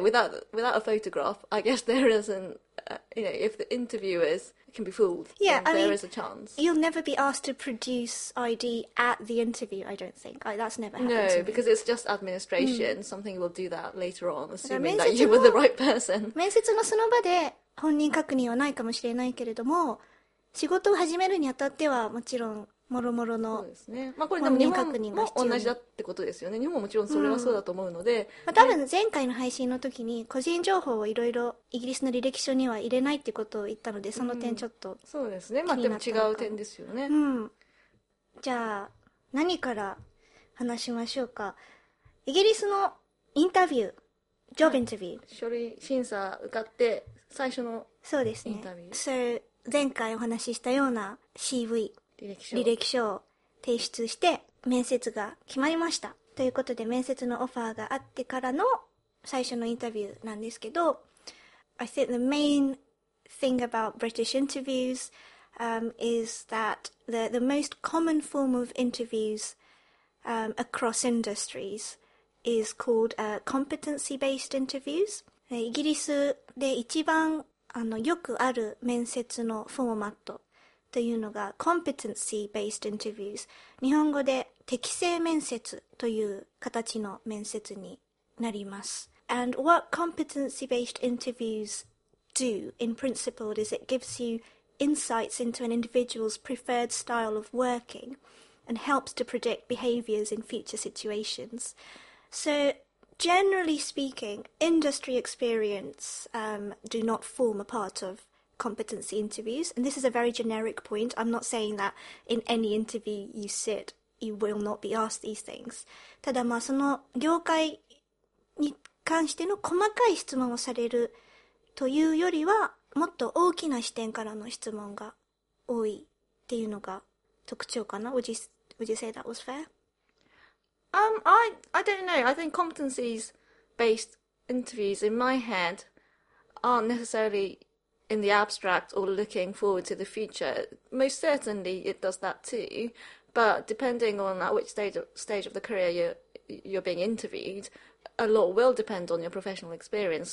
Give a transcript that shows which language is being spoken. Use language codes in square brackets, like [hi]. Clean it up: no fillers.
[en] Without a photograph, I guess there isn't. If the interviewers can be fooled, yeah, there is a chance. You'll never be asked to produce ID at the interview. I don't think that's never happened. No, because it's just administration. Mm. Something will do that later on, assuming that you were the right person. [ja] 面接のその場で本人確認はないかもしれないけれども、仕事を始めるにあたってはもちろん。もろもろの本人確認が必要。これでも日本も同じだってことですよね。日本ももちろんそれはそうだと思うので、うん、まあ、多分前回の配信の時に個人情報をいろいろイギリスの履歴書には入れないってことを言ったので、その点ちょっと気になったのか、うん、そうですね、まあ、でも違う点ですよね、うん、じゃあ何から話しましょうか。イギリスのインタビュー、ジョブインタビュー、はい、書類審査受かって最初のそうですね、インタビュー、それ前回お話ししたような CV、履歴書を提出して面接が決まりましたということで、面接のオファーがあってからの最初のインタビューなんですけど、 [en] I think the main thing about British interviews is that the most common form of interviews across industries is called competency-based interviews. [ja] イギリスで一番よくある面接のフォーマットというのが competency-based interviews。日本語で適性面接という形の面接になります。 [en] And what competency-based interviews do in principle is it gives you insights into an individual's preferred style of working and helps to predict behaviors in future situations. So generally speaking, industry experience do not form a part of competency interviews. And this is a very generic point. I'm not saying that in any interview you sit, you will not be asked these things. [ja] ただまあその業界に関しての細かい質問をされるというよりはもっと大きな視点からの質問が多いっていうのが特徴かな。 [en] Would you say that was fair? I don't know. I think competencies-based interviews in my head aren't necessarily in the abstract or looking forward to the future. Most certainly it does that too. But depending on at which stage of the career you're being interviewed, a lot will depend on your professional experience.